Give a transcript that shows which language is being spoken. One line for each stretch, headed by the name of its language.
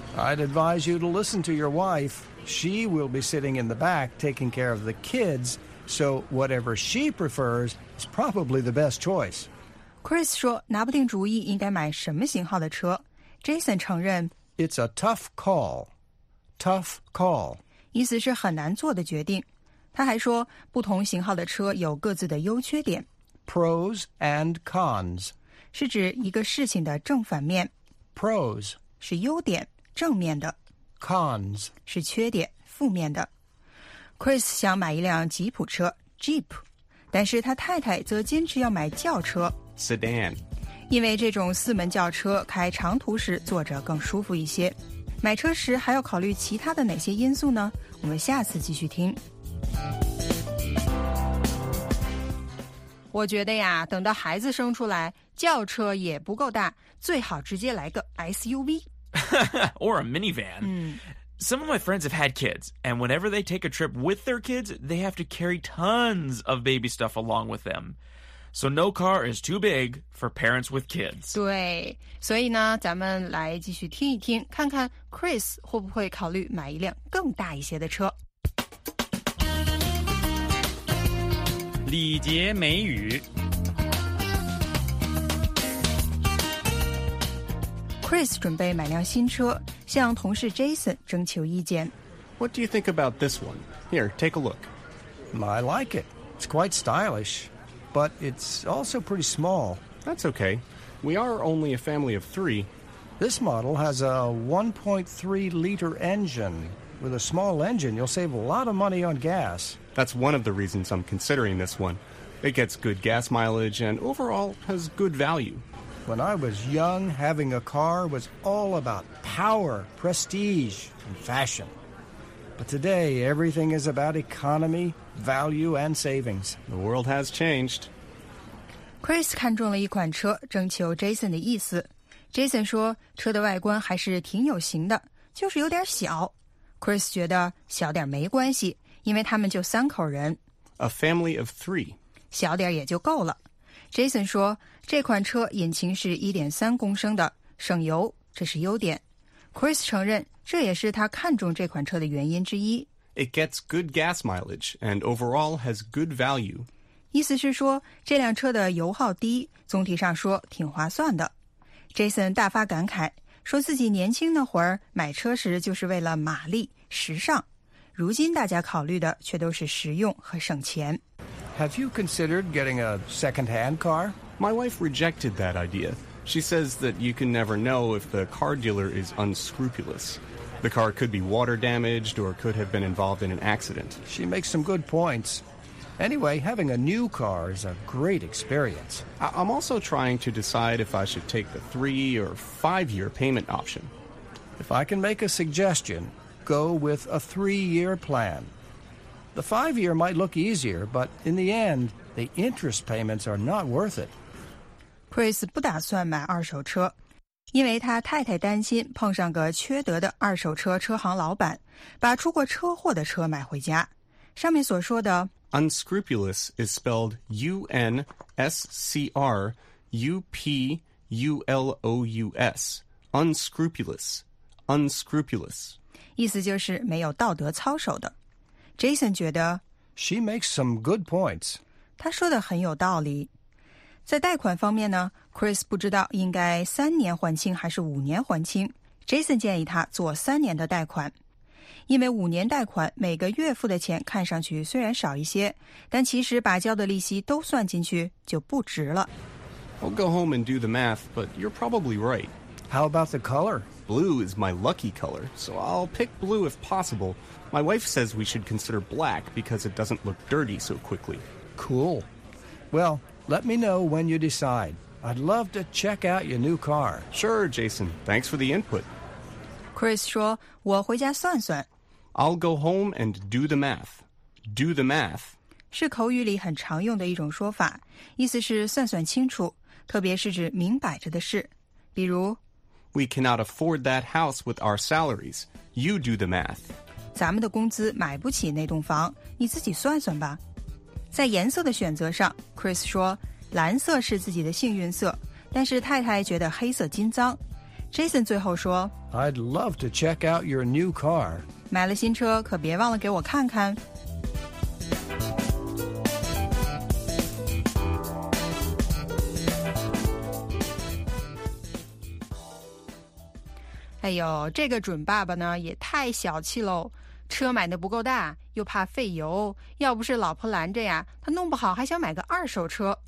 English: I'd advise you to listen to your wife. She will be sitting in the back taking care of the kids, so whatever she prefers is probably the best choice.
Chinese: Chris 说拿不定主意应该买什么型号的车。 Jason 承认
English: It's a tough call. Tough call.
Chinese: 意思是很难做的决定。他还说不同型号的车有各自的优缺点。
English: Pros and cons.
Chinese: 是指一个事情的正反面。
English: Pros.
Chinese: 是优点正面的。
English: Cons.
Chinese: 是缺点负面的。 Chris 想买一辆吉普车 Jeep. 但是他太太则坚持要买轿车
English: Sedan.
Chinese: 因为这种四门轿车开长途时坐着更舒服一些。买车时还要考虑其他的哪些因素呢？我们下次继续听。我觉得呀，等到孩子生出来，轿车也不够大，最好直接来个 SUV.
English: Or a minivan. Some of my friends have had kids, and whenever they take a trip with their kids, they have to carry tons of baby stuff along with them. So no car is too big for parents with kids.
Chinese: 对，所以呢，咱们来继续听一听，看看 Chris 会不会考虑买一辆更大一些的车。礼节美语。 Chris 准备买辆新车，向同事 Jason 征求意见。
English: What do you think about this one? Here, take a look. I like it. It's quite stylish. But it's also pretty small. That's okay. We are only a family of three. This model has a 1.3-liter engine. With a small engine, you'll save a lot of money on gas. That's one of the reasons I'm considering this one. It gets good gas mileage and overall has good value. When I was young, having a car was all about power, prestige, and fashion. But today, everything is about economy,Value and savings. The world has changed.
Chinese: Chris 看中了一款车，征求 Jason 的意思。Jason 说，车的外观还是挺有型的，就是有点小。 Chris 觉得小点没关系，因为他们就三口人。
English: A family of three.
Chinese: 小点也就够了。 Jason 说，这款车引擎是 1.3 公升的，省油，这是优点。 Chris 承认，这也是他看中这款车的原因之一。
English: It gets good gas mileage and overall has good value.
Chinese: 意思是说这辆车的油耗低，总体上说挺划算的。 Jason 大发感慨，说自己年轻那会儿买车时就是为了马力、时尚，如今大家考虑的却都是实用和省钱。
English: Have you considered getting a second-hand car? My wife rejected that idea. She says that you can never know if the car dealer is unscrupulous. The car could be water damaged or could have been involved in an accident. She makes some good points. Anyway, having a new car is a great experience. I'm also trying to decide if I should take the 3 or 5 year payment option. If I can make a suggestion, go with a 3 year plan. The 5 year might look easier, but in the end, the interest payments are not worth it.
Chinese: Chris 不打算买二手车。因为他太太担心碰上个缺德的二手车车行老板，把出过车祸的车买回家。上面所说的
English: Unscrupulous is spelled U-N-S-C-R-U-P-U-L-O-U-S. Unscrupulous. Unscrupulous.
Chinese: 意思就是没有道德操守的。Jason 觉得
English: She makes some good points.
Chinese: 他说的很有道理。在贷款方面呢， Chris 不知道应该3年还清还是5年还清。 Jason 建议他做3年的贷款。因为5年贷款每个月付的钱看上去虽然少一些，但其实把交的利息都算进去就不值了。
English: I'll go home and do the math, but you're probably right. How about the color? Blue is my lucky color, so I'll pick blue if possible. My wife says we should consider black because it doesn't look dirty so quickly. Cool. Well, let me know when you decide. I'd love to check out your new car. Sure, Jason. Thanks for the input.
Chinese: Chris 说，我回家算算。
English: I'll go home and do the math. Do the math
Chinese: 是口语里很常用的一种说法，意思是算算清楚，特别是指明摆着的事。比如
English: We cannot afford that house with our salaries. You do the math.
Chinese: 咱们的工资买不起那栋房，你自己算算吧。在颜色的选择上， Chris 说蓝色是自己的幸运色，但是太太觉得黑色金脏。 Jason 最后说
English: I'd love to check out your new car.
Chinese: 买了新车可别忘了给我看看。哎呦，这个准爸爸呢也太小气喽，车买的不够大，又怕费油，要不是老婆拦着呀，他弄不好还想买个二手车。